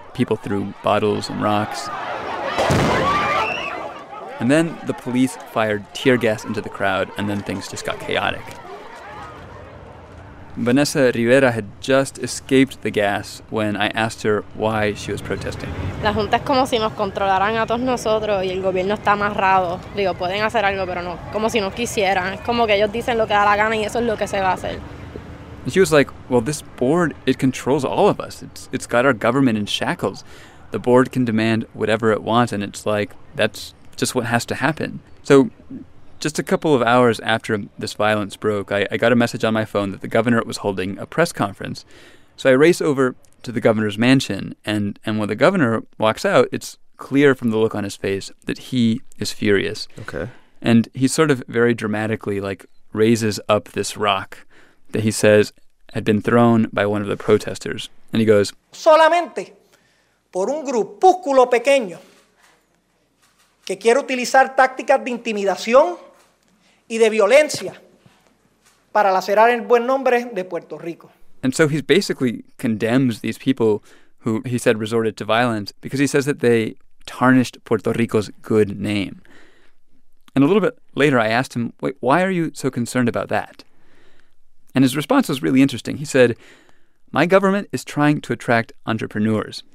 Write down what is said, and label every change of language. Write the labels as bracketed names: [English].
[English] People threw bottles and rocks. And then the police fired tear gas into the crowd, and then things just got chaotic. Vanessa Rivera had just escaped the gas when I asked her why she was protesting. [Spanish] La junta es como si nos controlaran a todos nosotros y el gobierno está amarrado. Digo, pueden hacer algo, pero no, como si no quisieran. Es como que ellos dicen lo que da la gana y eso es lo que se va a hacer. [English] She was like, well, this board, it controls all of us. It's got our government in shackles. The board can demand whatever it wants, and it's like, that's just what has to happen. So just a couple of hours after this violence broke, I got a message on my phone that the governor was holding a press conference. So I race over to the governor's mansion, and when the governor walks out, it's clear from the look on his face that he is furious. Okay. And he sort of very dramatically, like, raises up this rock that he says had been thrown by one of the protesters. And he goes, [Spanish] solamente por un grupúsculo pequeño que quiere utilizar tácticas de intimidación y de violencia para lacerar el buen nombre de Puerto Rico. [English] And so he basically condemns these people who he said resorted to violence because he says that they tarnished Puerto Rico's good name. And a little bit later, I asked him, wait, why are you so concerned about that? And his response was really interesting. He said, my government is trying to attract entrepreneurs.